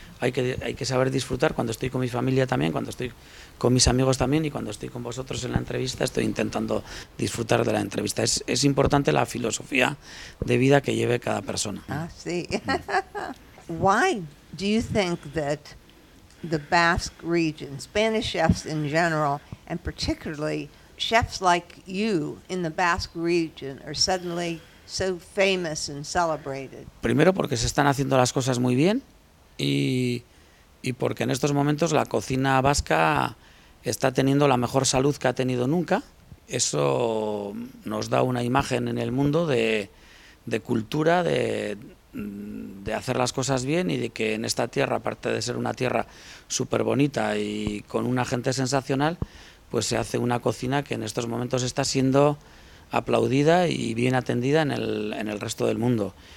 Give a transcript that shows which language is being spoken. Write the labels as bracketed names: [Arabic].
[Spanish] hay que saber disfrutar cuando estoy con mi familia también, cuando estoy con mis amigos también y cuando estoy con vosotros en la entrevista estoy intentando disfrutar de la entrevista. Es importante la filosofía de vida que lleve cada persona. Ah, sí. [English] Why do you think that the Basque region, Spanish chefs in general, and particularly chefs like you in the Basque region are suddenly so famous and celebrated? [Spanish] Primero porque se están haciendo las cosas muy bien y porque en estos momentos la cocina vasca está teniendo la mejor salud que ha tenido nunca. Eso nos da una imagen en el mundo de cultura, de hacer las cosas bien y de que en esta tierra, aparte de ser una tierra súper bonita y con una gente sensacional, pues se hace una cocina que en estos momentos está siendo aplaudida y bien atendida en el resto del mundo.